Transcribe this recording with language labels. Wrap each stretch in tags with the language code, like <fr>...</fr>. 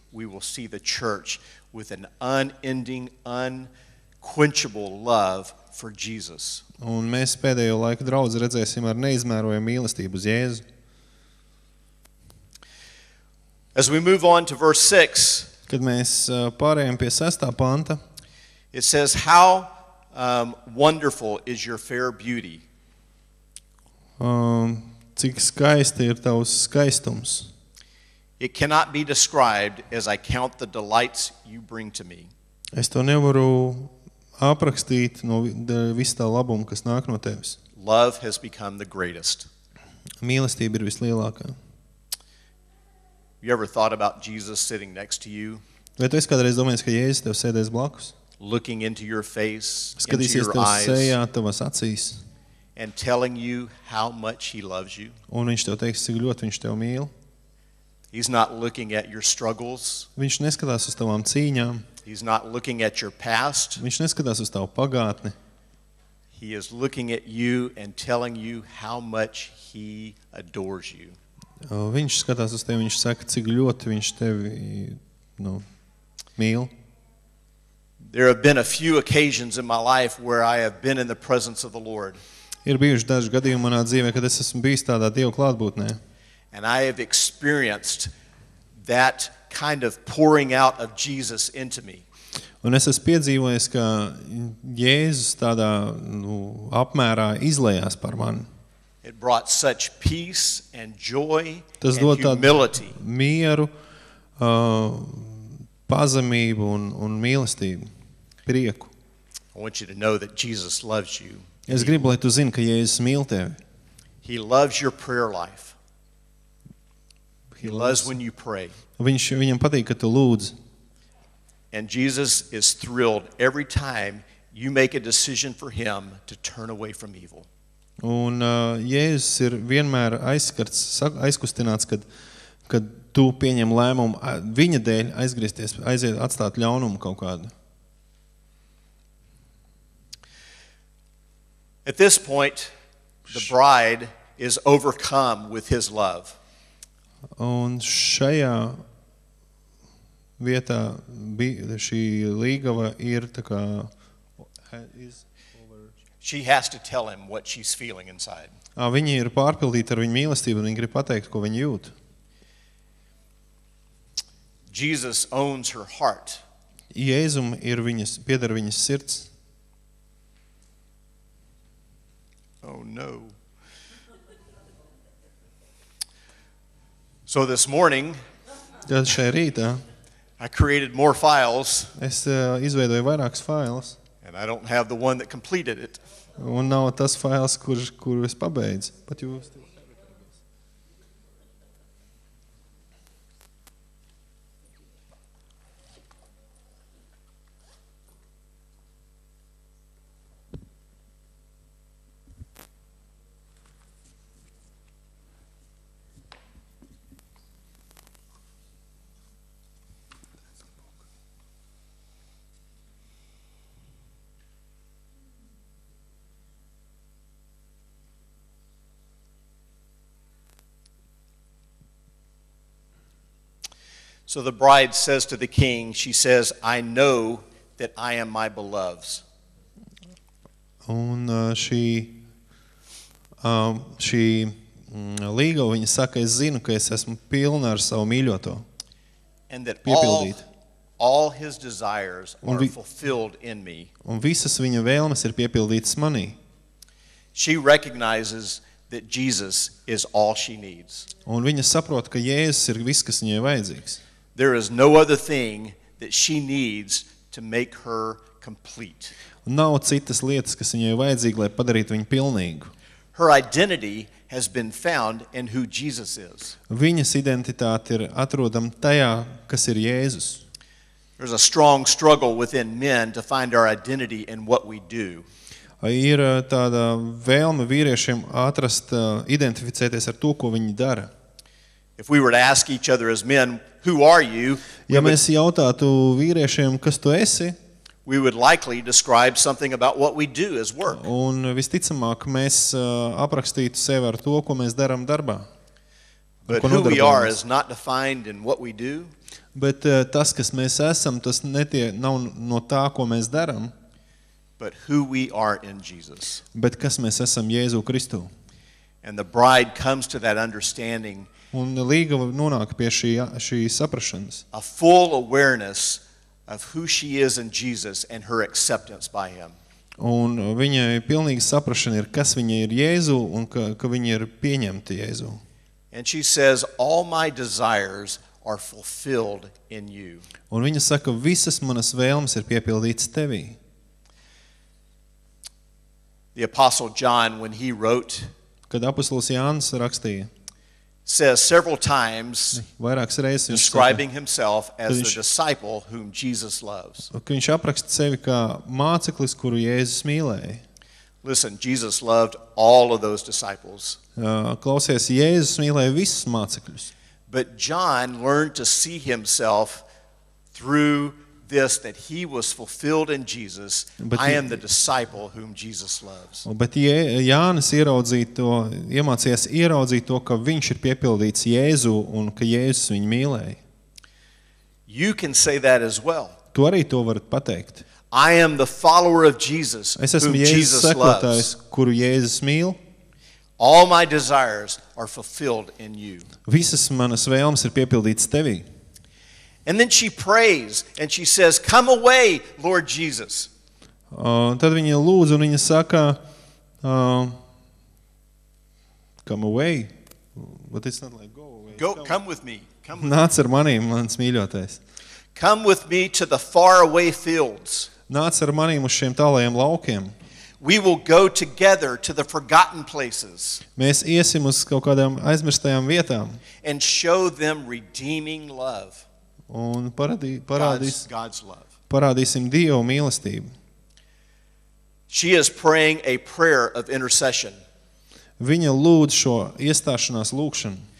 <en>we will see the church with an unending, unquenchable love for Jesus.</en> <lv>Un mēs pēdējo laiku draudz redzēsim ar neizmērojamu mīlestību uz Jēzu.</lv> <en>As we move on to verse 6,</en> <lv>kad mēs pārējām pie 6. Panta,</lv> <en>it says, how wonderful is your fair beauty.</en> <lv>Cik skaisti ir tavs skaistums.</lv> <en>It cannot be described as I count the delights you bring to me.</en> <lv>Es to nevaru aprakstīt no visu tā labumu, kas nāk no tevis.</lv> <en>Love has become the greatest.</en> <lv>Mīlestība ir vislielākā.</lv> <en>You ever thought about Jesus sitting next to you?</en> <lv>Vai tu esi kādreiz domājis, ka Jēzus tev sēdēs blakus?</lv> <en>Looking into your face,</en> <lv>skatīsies</lv> <en>into your</en> <lv>tev sejā, tavas acīs.</lv> <en>And telling you how much he loves you.</en> <lv>Un viņš tev teiks, cik ļoti viņš tev mīl.</lv> <en>He's not looking at your struggles.</en> <lv>Viņš neskatās uz tavām cīņām.</lv> <en>He's not looking at your past.</en> <lv>Viņš neskatās uz tavu pagātni.</lv> <en>He is looking at you and telling you how much he adores you.</en> <lv>Viņš skatās uz tevi, viņš saka, cik ļoti viņš tevi, nu, mīl.</lv> <en>There have been a few occasions in my life where I have been in the presence of the Lord.</en> <lv>Ir bijuši daži gadījumi manā dzīvē, kad es esmu bijis tādā Dieva klātbūtnē.</lv> <en>And I have experienced that kind of pouring out of Jesus into me.</en> <lv>Un es esmu piedzīvojis, ka Jēzus tādā, nu, apmērā izlējās par mani.</lv> <en>It brought such peace and joy</en> <lv>Tas</lv> <en>and humility.</en> <lv>Tas dod tādu mieru, pazemību un mīlestību, prieku.</lv> <en>I want you to know that Jesus loves you.</en> <lv>Es gribu, lai tu zini, ka Jēzus mīl tevi.</lv> <en>He loves your prayer life. He loves when you pray.</en> <lv>Viņam patīk, ka tu lūdz.</lv> <en>And Jesus is thrilled every time you make a decision for him to turn away from evil.</en> <lv>Un Jēzus ir vienmēr aizkustināts, kad tu pieņem lēmumu viņa dēļ aizgriezties, aiziet atstāt ļaunumu kaut kādu.</lv> <en>At this point, the bride is overcome with his love.</en> <lv>Un šajā vietā šī līgava ir tā kā</lv> <en>she has to tell him what she's feeling inside.</en> <lv>Viņa ir pārpildīta ar viņa mīlestību un viņa grib pateikt, ko viņa jūt.</lv> <en>Jesus owns her heart.</en> <lv>Jēzum ir viņas, pieder viņas sirds.</lv> <en>Oh no. So this morning, I created more files.</en> <lv>Es izveidoju vairākus files.</lv> <en>And I don't have the one that completed it.</en> <lv>Un nav tas files, kur es pabeidzu.</lv> <en>But you still have it. So the bride says to the king, she says, I know that I am my beloved's.</en> <lv>Un šī līga, viņa saka, es zinu, ka es esmu pilna ar savu mīļoto.</lv> <en>And that all his desires are fulfilled in me.</en> <lv>Un visas viņa vēlmes ir piepildītas manī.</lv> <en>She recognizes that Jesus is all she needs.</en> <lv>Un viņa saprot, ka Jēzus ir viss, kas viņai vajadzīgs.</lv> <en>There is no other thing that she needs to make her complete.</en> <lv>Nav citas lietas, kas viņai vajadzīga, lai padarītu viņu pilnīgu.</lv> <en>Her identity has been found in who Jesus is.</en> <lv>Viņas identitāte ir atrodama tajā, kas ir Jēzus.</lv> <en>There's a strong struggle within men to find our identity in what we do.</en> <lv>Ir tāda vēlme vīriešiem atrast identificēties ar to, ko viņi dara.</lv> <en>If we were to ask each other as men, who are you?</en> <lv>Ja mēs jautātu vīriešiem, kas tu esi?</lv> <en>We would likely describe something about what we do as work.</en> <lv>Un visticamāk, mēs aprakstītu sevi ar to, ko mēs darām darbā.</lv> <en>But who we are is not defined in what we do.</en> <lv>Bet tas, kas mēs esam, tas netie, nav no tā, ko mēs daram.</lv> <en>But who we are in Jesus.</en> <lv>Bet kas mēs esam Jēzu Kristu.</lv> <en>And the bride comes to that understanding.</en> <lv>Un līga nonāk pie šī, šī saprašanas.</lv> <en>A full awareness of who she is in Jesus and her acceptance by him.</en> <lv>Un viņai pilnīga saprašana ir, kas viņa ir Jēzu un ka, ka viņa ir pieņemta Jēzu.</lv> <en>And she says, all my desires are fulfilled in you.</en> <lv>Un viņa saka, visas manas vēlmes ir piepildītas tevī.</lv> <en>The Apostle John, when he wrote,</en> <lv>kad Apostles Jānis rakstīja,</lv> <en>says several times,</en> <lv>vairākas reizes viņš</lv> <en>describing himself as the disciple whom Jesus loves.</en> <lv>Viņš apraksta sevi kā māceklis, kuru Jēzus mīlēja.</lv> <en>Listen, Jesus loved all of those disciples.</en> <lv>Klausies, Jēzus mīlēja visus mācekļus.</lv> <en>But John learned to see himself through this, that he was fulfilled in Jesus. But I am the disciple whom Jesus loves.</en> <lv>Bet Jānis iemācījās ieraudzīt to, ka viņš ir piepildīts Jēzu un ka Jēzus viņu mīlēja.</lv> <en>You can say that as well.</en> <lv>Tu arī to varat pateikt.</lv> <en>I am the follower of Jesus,</en> <lv>es esmu Jēzus sekotājs, kuru Jēzus mīl.</lv> <en>All my desires are fulfilled in you.</en> <lv>Visas manas vēlmes ir piepildītas tevī.</lv> <en>And then she prays and she says, come away, Lord Jesus.</en> <lv>Tad viņa lūdz un viņa saka,</lv> <en>come away. But it's not like go away. Go, come with me. Come with</en> <lv>nāc ar manīm, mans mīļotais.</lv> <en>Come with me to the far away fields.</en> <lv>Nāc ar manīm uz šiem tālajiem laukiem.</lv> <en>We will go together to the forgotten places.</en> <lv>Mēs iesim uz kaut kādām aizmirstajām vietām.</lv> <en>And show them redeeming love.</en> <lv>Un parādīsim Dievu mīlestību.</lv> <en>She is praying a prayer of intercession.</en> <lv>Viņa lūdz šo iestāšanās lūkšanu.</lv>